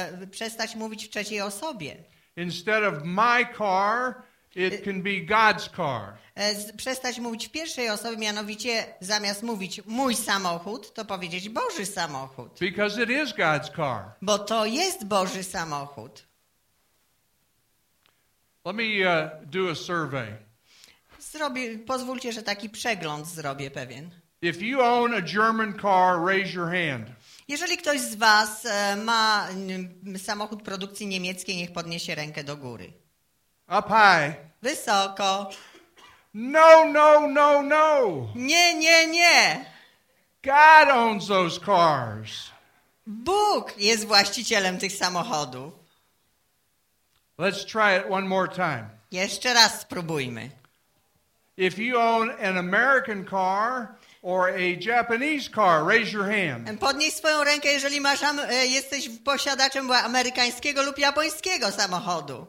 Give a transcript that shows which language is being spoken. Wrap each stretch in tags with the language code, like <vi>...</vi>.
<pl>Przestać mówić w trzeciej osobie.</pl> <en>Instead of my car, it can be God's car.</en> <pl>Przestać mówić w pierwszej osobie, mianowicie zamiast mówić mój samochód, to powiedzieć Boży samochód.</pl> <en>Because it is God's car.</en> <pl>Bo to jest Boży samochód.</pl> <en>Let me do a survey.</en> <pl>Pozwólcie, że taki przegląd zrobię pewien.</pl> <en>If you own a German car, raise your hand.</en> <pl>Jeżeli ktoś z was ma samochód produkcji niemieckiej, niech podniesie rękę do góry.</pl> <en>Up high.</en> <pl>Wysoko.</pl> <en>No, no, no, no.</en> <pl>Nie, nie, nie.</pl> <en>God owns those cars.</en> <pl>Bóg jest właścicielem tych samochodów.</pl> <en>Let's try it one more time.</en> <pl>Jeszcze raz spróbujmy.</pl> <en>If you own an American car or a Japanese car, raise your hand.</en> <pl>Podnieś swoją rękę, jeżeli masz, jesteś posiadaczem amerykańskiego lub japońskiego samochodu.</pl>